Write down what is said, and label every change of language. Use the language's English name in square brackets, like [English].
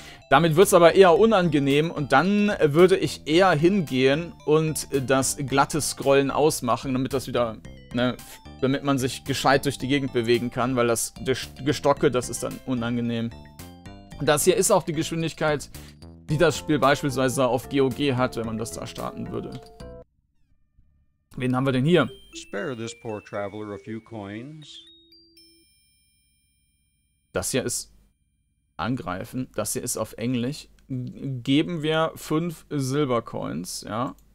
[German] Damit wird es aber eher unangenehm und dann würde ich eher hingehen und das glatte Scrollen ausmachen, damit das wieder, ne, damit man sich gescheit durch die Gegend bewegen kann, weil das Gestocke, das ist dann unangenehm. Das hier ist auch die Geschwindigkeit, die das Spiel beispielsweise auf GOG hat, wenn man das da starten würde. Wen haben wir denn hier? [English] Spare this poor traveler a few coins. [German] Das hier ist angreifen. Das hier ist auf Englisch. Geben wir 5 Silbercoins, ja.